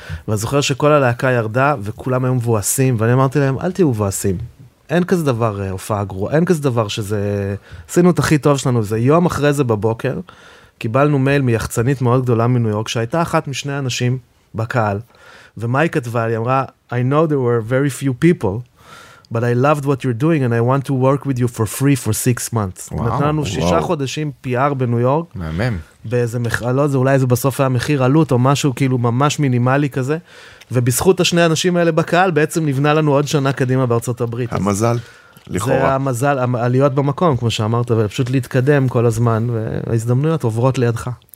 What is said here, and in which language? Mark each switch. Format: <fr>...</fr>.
<he>ואני זוכר שכל הלהקה ירדה, וכולם היו מבואסים, ואני אמרתי להם, אל תהיו מבואסים. אין כזה דבר הופעה גרוע, אין כזה דבר שזה... עשינו את הכי טוב שלנו, זה יום אחרי זה בבוקר, קיבלנו מייל מיחצנית מאוד גדולה מניו יורק, שהייתה אחת משני אנשים בקהל, ומה היא כתבה? היא אמרה,</he> <en>I know there were very few people, but I loved what you're doing and I want to work with you for free for 6 months.</en> <he>וואו, נתנו לנו 6 חודשים PR בניו יורק. מהמם. באיזה מכרלות, זה אולי זה בסוף היה מחיר עלות או משהו כאילו ממש מינימלי כזה. ובזכות השני האנשים האלה בקהל, בעצם נבנה לנו עוד שנה קדימה בארצות הברית. המזל, לכאורה. זה המזל, עליות במקום, כמו שאמרת, ופשוט להתקדם כל הזמן, וההזדמנויות עוברות לידך.</he>